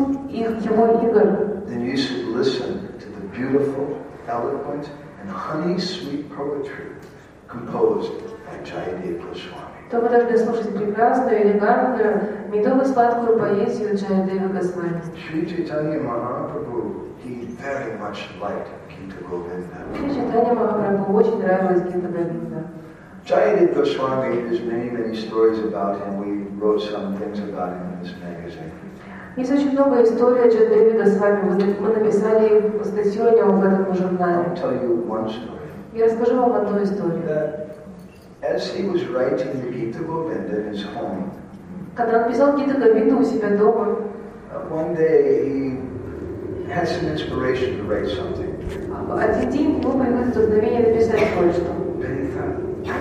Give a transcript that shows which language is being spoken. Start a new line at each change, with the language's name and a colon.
English: then you should listen to the beautiful, eloquent, and honey-sweet poetry composed by Jayadeva Goswami.
Russian: То вы должны слушать прекрасную, элегантную, медово-сладкую поэзию Джаядевы Госвами.
English: Шри Чайтанья Махапрабху, he very much liked Гита Говинда.
Russian: Шри Чайтанья Махапрабху очень нравилась Гита Говинда.
English: Jayadeva Goswami, there's many, many stories about him. We wrote some things about him in this magazine.
Russian: Есть очень много историй о Джайдеве Госвами. Мы написали статью о нем в этом журнале. Я расскажу вам одну историю. Когда он писал Гита Говинду у себя дома, один день был вдохновение написать кое-что.